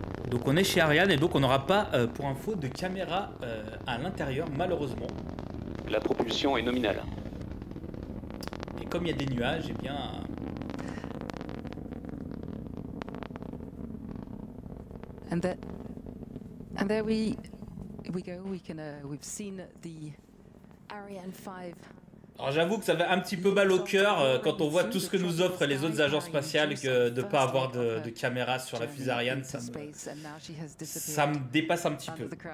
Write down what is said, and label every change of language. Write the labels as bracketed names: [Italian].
[French] Donc on est chez Ariane et donc on n'aura pas, pour info, de caméra à l'intérieur, malheureusement. La propulsion est nominale. Et comme il y a des nuages, eh bien... [English] And there we go, we can, we've seen the Ariane 5. [French] Alors j'avoue que ça fait un petit peu mal au cœur quand on voit tout ce que nous offrent les autres agences spatiales que de ne pas avoir de caméra sur la fusée Ariane, ça me dépasse un petit peu.